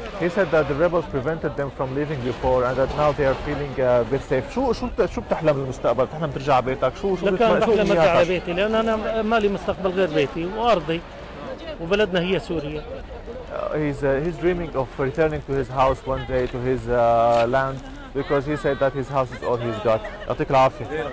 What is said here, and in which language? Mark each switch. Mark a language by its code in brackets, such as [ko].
[en] He said that the rebels prevented them from leaving before and that now they are feeling bit safe. [ar] شو بتحلم بالمستقبل؟ بتحلم ترجع على بيتك؟ شو بتمنى تعمل؟ لكن بتمنى ارجع على بيتي لان انا ما لي مستقبل غير بيتي وارضي وبلدنا هي سوريا. [en] He's dreaming of returning to his house one day to his land because he said that his house is all he's got. [ar] يعطيك العافية.